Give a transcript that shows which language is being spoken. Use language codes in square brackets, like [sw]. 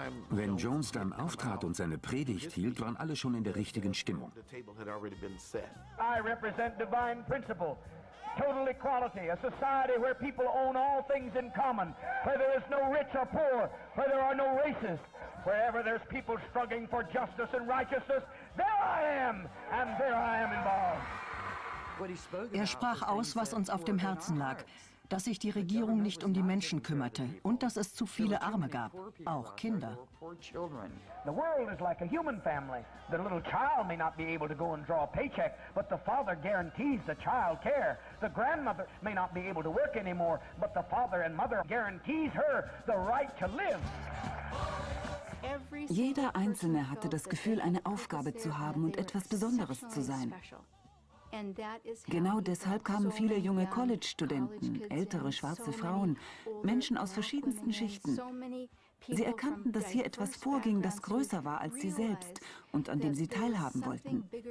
[de] Wenn Jones dann auftrat und seine Predigt hielt, waren alle schon in der richtigen Stimmung. [en] I represent divine principle. Total equality, a society where people own all things in common, where there is no rich or poor, where there are no races, wherever there's people struggling for justice and righteousness, there I am, and there I am involved. [de] Er sprach aus, was uns auf dem Herzen lag, dass sich die Regierung nicht um die Menschen kümmerte und dass es zu viele Arme gab, auch Kinder. [en] The world is like a human family. The little child may not be able to go and draw a paycheck, but the father guarantees the child care. The grandmother may not be able to work anymore, but the father and mother guarantees her the right to live. [de] Jeder Einzelne hatte das Gefühl, eine Aufgabe zu haben und etwas Besonderes zu sein. Genau deshalb kamen viele junge College-Studenten, ältere schwarze Frauen, Menschen aus verschiedensten Schichten. Sie erkannten, dass hier etwas vorging, das größer war als sie selbst und an dem sie teilhaben wollten.